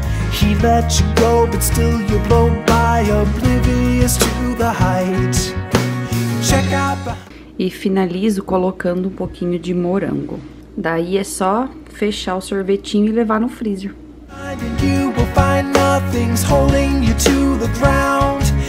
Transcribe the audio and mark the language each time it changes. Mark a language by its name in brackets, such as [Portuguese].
[English] He let you go, but still you blow by, oblivious to the height. Check out. [Portuguese] E finalizo colocando um pouquinho de morango. Daí é só fechar o sorvetinho e levar no freezer. [English] You will find nothing's holding you to the ground.